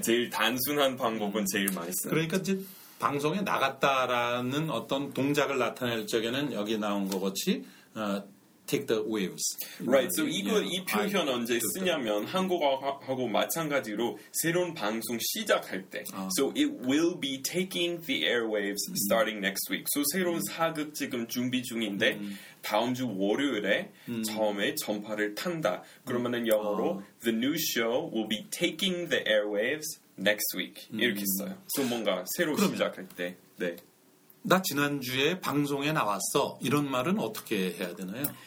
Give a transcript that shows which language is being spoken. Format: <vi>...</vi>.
<ko>제일 단순한 방법은 제일 많이 쓰는 그러니까 이제 방송에 나갔다라는 어떤 동작을 나타낼 적에는 여기 나온 것 같이</ko> <en>take the waves. Right.</en> <ko>So 이거 이 표현 언제 쓰냐면 한국어하고 마찬가지로 새로운 방송 시작할 때.</ko> <en>So it will be taking the airwaves starting next week.</en> <ko>So 새로운 사극 지금 준비 중인데 다음 주 월요일에 처음에 전파를 탄다. 그러면은 영어로</ko> <en>the new show will be taking the airwaves next week.</en> <ko>이렇게 써요. So 뭔가 새로 시작할 때. 네. 나 지난주에 방송에 나왔어. 이런 말은 어떻게 해야 되나요?</ko>